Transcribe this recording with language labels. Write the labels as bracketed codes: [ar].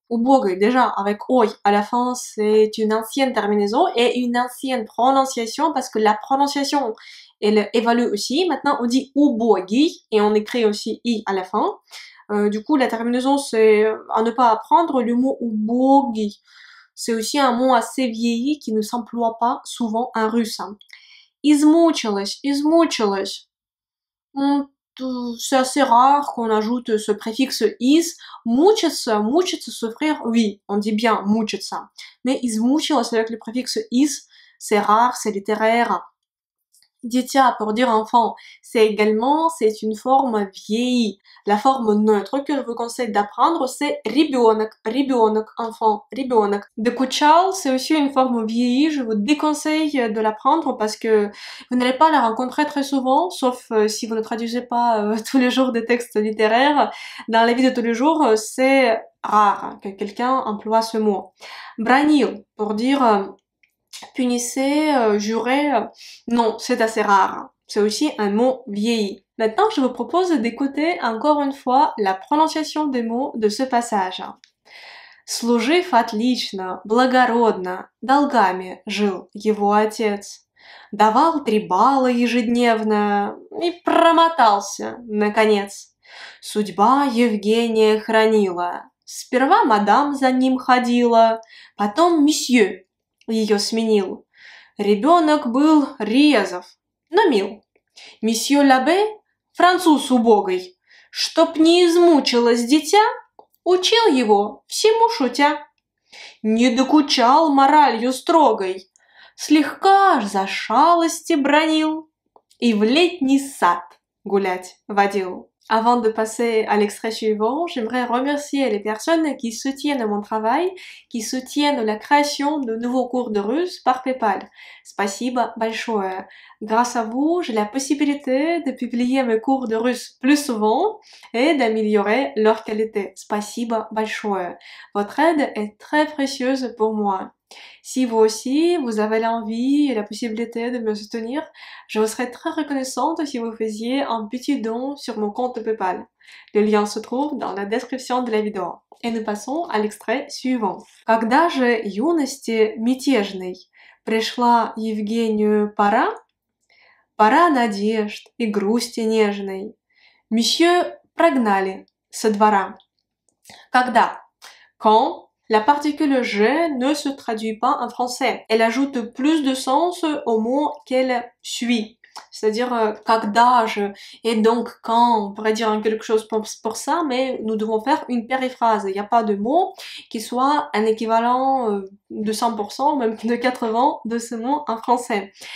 [fr] Убогий, déjà, avec ой à la fin, c'est une ancienne terminaison et une ancienne prononciation parce que la prononciation, elle évolue aussi. Maintenant, on dit убогий et on écrit aussi i à la fin. Du coup, la terminaison, c'est à ne pas apprendre le mot убогий. C'est aussi un mot assez vieilli qui ne s'emploie pas souvent en russe. [ru] Измучилась, измучилась. [fr] C'est assez rare qu'on ajoute ce préfixe is. Мучиться, мучиться, souffrir, oui, on dit bien мучиться. Mais измучилась avec le préfixe is, c'est rare, c'est littéraire. Дитя, pour dire enfant, c'est également, c'est une forme vieillie. La forme neutre que je vous conseille d'apprendre, c'est ребенок, ребенок, enfant, ребенок. Докучал, c'est aussi une forme vieillie, je vous déconseille de l'apprendre parce que vous n'allez pas la rencontrer très souvent, sauf si vous ne traduisez pas tous les jours des textes littéraires. Dans la vie de tous les jours, c'est rare que quelqu'un emploie ce mot. Бранил, pour dire... Punissez, jurez, non, c'est assez rare. C'est aussi un mot vieilli. Maintenant, je vous propose d'écouter encore une fois la prononciation des mots de ce passage. [ru] Служив отлично, благородно, долгами жил его отец. Давал три балла ежедневно и промотался, наконец. Судьба Евгения хранила. Сперва мадам за ним ходила, потом месье. Ее сменил. Ребенок был резов, но мил. Месье Лабе, француз убогой, чтоб не измучилось дитя, учил его всему шутя, не докучал моралью строгой, слегка за шалости бранил и в летний сад гулять водил. [fr] Avant de passer à l'extrait suivant, j'aimerais remercier les personnes qui soutiennent mon travail, qui soutiennent la création de nouveaux cours de russe par PayPal. [ru] Спасибо большое. [fr] Grâce à vous, j'ai la possibilité de publier mes cours de russe plus souvent et d'améliorer leur qualité. [ru] Спасибо большое. [fr] Votre aide est très précieuse pour moi. Si vous aussi, vous avez l'envie et la possibilité de me soutenir, je vous serais très reconnaissante si vous faisiez un petit don sur mon compte PayPal. Le lien se trouve dans la description de la vidéo. Et nous passons à l'extrait suivant. [ru] Когда же юности мятежной пришла Евгению пора, пора надежд и грусти нежной, мсье прогнали со двора. Когда? [fr] Quand? La particule « je » ne se traduit pas en français. Elle ajoute plus de sens au mot qu'elle suit. C'est-à-dire « [ru] когда же [fr] » et donc « quand ». On pourrait dire quelque chose pour ça, mais nous devons faire une périphrase. Il n'y a pas de mot qui soit un équivalent de 100%, même de 80% de ce mot en français.